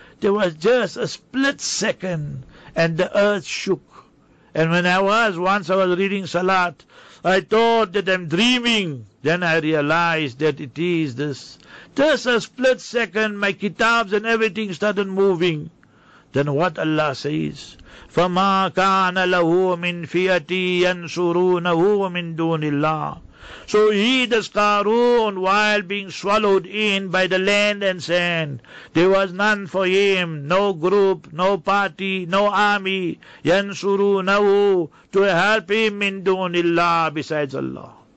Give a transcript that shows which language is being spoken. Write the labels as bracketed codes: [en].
[en] There was just a split second and the earth shook. And when I was reading Salat, I thought that I'm dreaming. Then I realized that it is this. Just a split second, my kitabs and everything started moving. Then what Allah says, [ar] فَمَا كَانَ لَهُ مِنْ فِيَتِي يَنْصُرُونَهُ مِنْ دُونِ اللَّهِ. [en] So he, the Qarun, while being swallowed in by the land and sand, there was none for him, no group, no party, no army, [ar] يَنْصُرُونَهُ, [en] to help him [ar] مِنْ دُونِ اللَّهِ, [en] besides Allah.